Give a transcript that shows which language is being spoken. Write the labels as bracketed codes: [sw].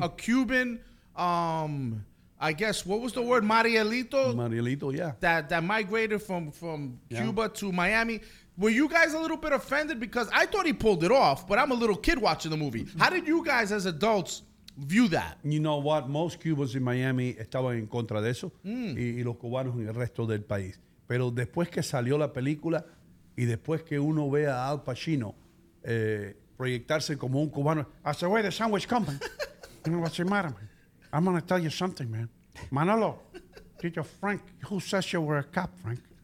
[en] A Cuban, I guess, what was the word? Marielito? Marielito, yeah. That migrated from Cuba to Miami. Were you guys a little bit offended? Because I thought he pulled it off, but I'm a little kid watching the movie. How did you guys as adults view that? You know what? Most Cubans in Miami [es] estaban en contra de eso. Mm. Y los cubanos en el resto del país. Pero después que salió la película y después que uno ve a Al Pacino proyectarse como un cubano. [en] I said, wait, the sandwich coming. You know what's the matter, man? I'm going to tell you something, man. Manolo, teacher Frank, who says you were a cop, Frank?